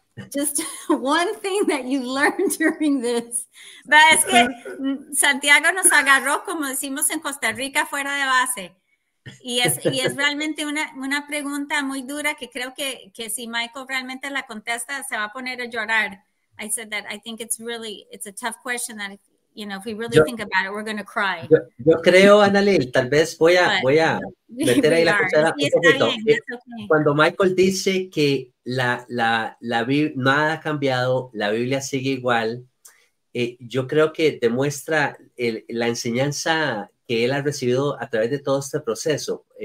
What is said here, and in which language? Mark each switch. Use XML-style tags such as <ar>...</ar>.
<en>Just one thing that you learned during this. But</en> <es>es que Santiago nos agarró, como decimos en Costa Rica, fuera de base. Y es realmente una pregunta muy dura que creo que si Michael realmente la contesta, se va a poner a llorar.</es> <en>I said that I think it's a tough question that you know, if we really think about it, we're going to cry.</en> <es>Yo creo, Analil, tal vez voy a meter ahí la cuchara un poquito. Cuando Michael dice que la Biblia, nada ha cambiado, la Biblia sigue igual, yo creo que demuestra la enseñanza que él ha recibido a través de todo este proceso.</es>